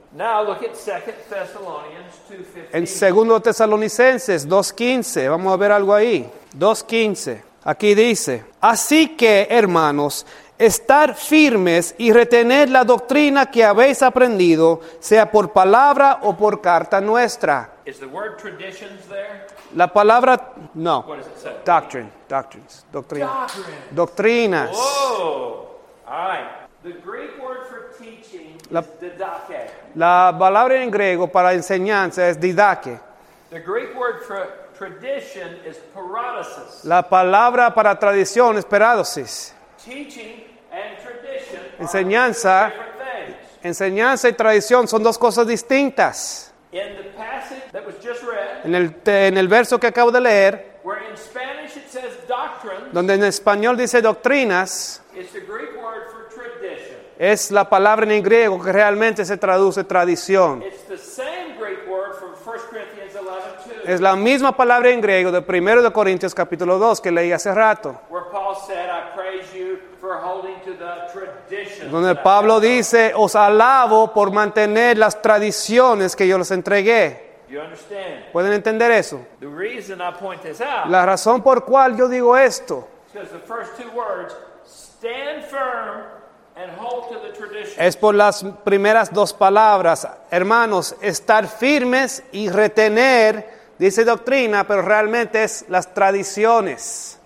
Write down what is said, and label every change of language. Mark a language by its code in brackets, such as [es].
[en] Now look at 2 Thessalonians 2:15. [es] En 2 Tesalonicenses 2:15, vamos a ver algo ahí, 2:15, aquí dice, así que hermanos, estar firmes y retener la doctrina que habéis aprendido, sea por palabra o por carta nuestra. [en] Is the word traditions there? [es] La palabra, no. [en] What does it say? [es] Doctrinas. [en] Whoa. All right. The Greek word for teaching is didache. [es] La palabra en griego para enseñanza es didache. [en] The Greek word for tradition is paradosis. [es] La palabra para tradición es paradosis. [en] Teaching and tradition [es] enseñanza, [en] are two different things. [es] Enseñanza y tradición son dos cosas distintas. [en] In the passage that was just read, [es] en el verso que acabo de leer, [en] where in Spanish it says doctrines, [es] donde en español dice doctrinas, [en] it's the Greek word for tradition. [es] Es la palabra en griego que realmente se traduce tradición. [en] It's the same Greek word from 1 Corinthians 11, 2, [es] es la misma palabra en griego de 1 de Corintios capítulo 2 que leí hace rato, [en] where Paul said, I praise you for holding to the traditions, [es] donde Pablo dice, os alabo por mantener las tradiciones que yo les entregué. [en] You understand? [es] ¿Pueden entender eso? [en] The reason I point this out, [es] la razón por cual yo digo esto, [en] because the first two words, stand firm and hold to the tradition, [es] es por las primeras dos palabras, hermanos, estar firmes y retener, dice doctrina, pero realmente es las tradiciones.